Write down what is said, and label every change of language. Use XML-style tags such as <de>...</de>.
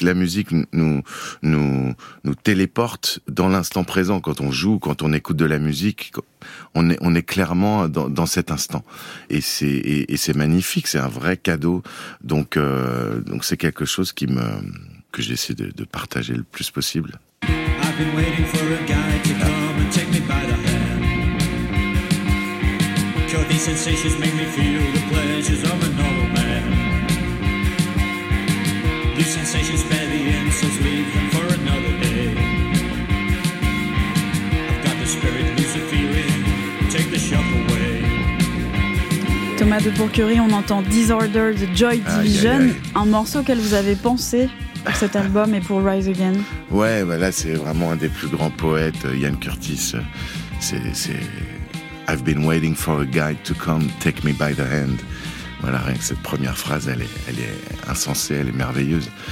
<fr>La musique nous téléporte dans l'instant présent. Quand on joue, quand on écoute de la musique, on est clairement dans cet instant. Et c'est magnifique. C'est un vrai cadeau. Donc c'est quelque chose que j'essaie de partager le plus possible.</fr> <en>I've been waiting for a guy to come and take me by the hand. Cure these sensations, make me feel the pleasures of an old man. New sensations, spare the insults, leave them for another day. I've got the spirit, lose the feeling, take the shock away.</en> <fr>Thomas de Pourquerie, on entend</fr> <en>Disorder</en> <fr>de Joy Division, un morceau auquel vous avez pensé pour cet album et pour Rise Again. Ouais, bah là c'est vraiment un des plus grands poètes, Ian Curtis. C'est</fr> <en>I've been waiting for a guy to come take me by the hand.</en> <fr>Voilà, rien que cette première phrase, elle est insensée, elle est merveilleuse.</fr>